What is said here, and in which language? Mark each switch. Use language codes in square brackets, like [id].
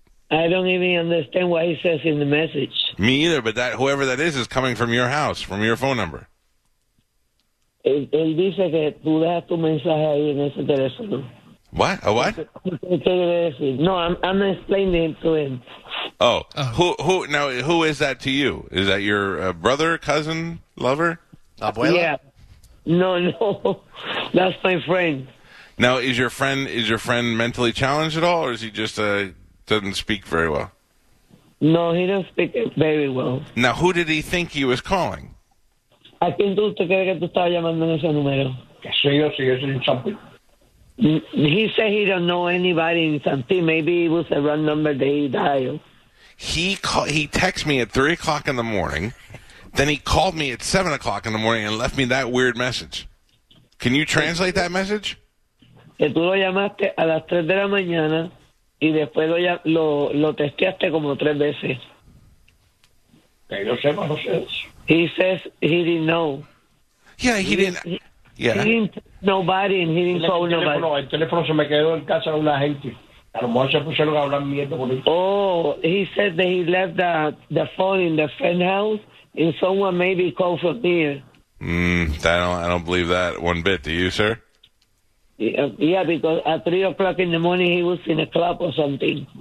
[en] I don't even understand what he says in the message. Me either, but that whoever that is coming from your house, from your phone number. [es] Él dice que tú dejas tu mensaje ahí en ese teléfono. [en] What? A what? [es] ¿Qué quiere decir? [en] No, I'm explaining to him. Oh, who is that to you? Is that your brother, cousin, lover? [es] Abuela? [en] Yeah. No. That's my friend. Now, is your friend mentally challenged at all, or is he just doesn't speak very well? No, he doesn't speak very well. Now, who did he think he was calling? [es] ¿A quién tú te crees que tú estabas llamando en ese número? Sí, [en] he said he don't know anybody in Santee. Maybe it was a wrong number that he dialed. He texted me at 3 o'clock in the morning. Then he called me at 7 o'clock in the morning and left me that weird message. Can you translate that message? [es] Que tú lo llamaste a las 3 de la mañana y después lo texteaste como 3 veces. Que yo sepa, no sé eso. [en] He says he didn't know. Yeah, he didn't. He didn't tell nobody and he didn't call nobody. [es] El teléfono se me quedó en casa de una gente. A lo mejor se pusieron a hablar mierda por eso. [en] Oh, he said that he left the phone in the friend house and someone maybe called for beer. I don't believe that one bit. Do you, sir? Yeah, because at 3 o'clock in the morning he was in a club or something.